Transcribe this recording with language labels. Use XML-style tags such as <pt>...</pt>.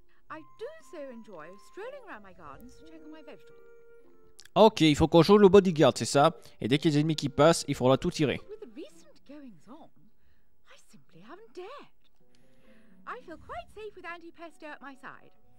<en>I do so enjoy strolling around my gardens to check on my vegetables.</en> <fr>Ok, il faut qu'on joue le bodyguard, c'est ça. Et dès qu'il y a des ennemis qui passent, il faudra tout tirer.</fr> <en>With the recent goings on, I simply haven't dared. I feel quite safe with Andy Pesto at my side.</en>